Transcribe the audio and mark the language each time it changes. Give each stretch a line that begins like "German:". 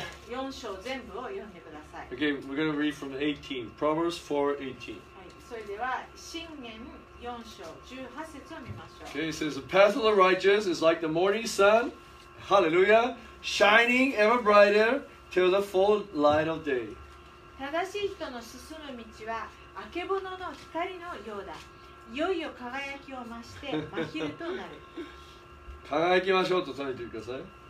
Japanese: 4章全部を読んでください。
English: Okay, we're going to read from 18. Proverbs 4:18.
Japanese: それでは、箴言4章18節を見ましょう。
English: Okay, it says, the path of the righteous is like the morning sun, hallelujah, shining ever brighter till the full light of day.
Japanese: 正しい人の進む道は、あけぼのの光のようだ。いよいよ輝きを増して、真昼となる。輝きましょうと唱えてください。